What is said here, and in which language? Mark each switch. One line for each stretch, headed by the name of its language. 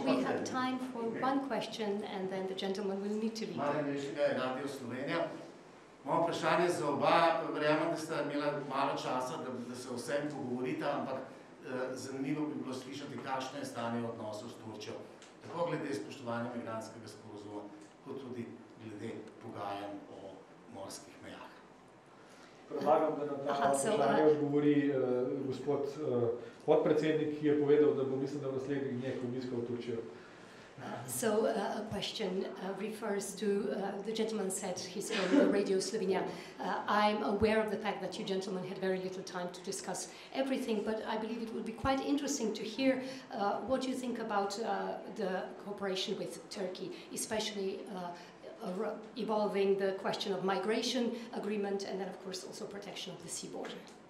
English: We have time for one question and then the gentleman will need to leave.
Slovenian: Marjan, Ježiga je radio Slovenija. Moje vprašanje za oba, verjamem, da ste imela malo časa, da se vsem pogovorite, ampak zanimivo bi bilo slišati, kakšno je stanje odnosov s Turčjo, tako glede spoštovanja migrantskega sporazuma, kot tudi glede pogajanj o morskih mejah. Predlagam, da nam na vprašanje odgovori gospod podpredsednik, ki je povedal, da bo mislim, da v naslednjih dneh obiskal Turčjo.
English: So a question refers to the gentleman said he's on the Radio Slovenia. I'm aware of the fact that you gentlemen had very little time to discuss everything, but I believe it would be quite interesting to hear what you think about the cooperation with Turkey, especially evolving the question of migration agreement and then, of course, also protection of the sea border.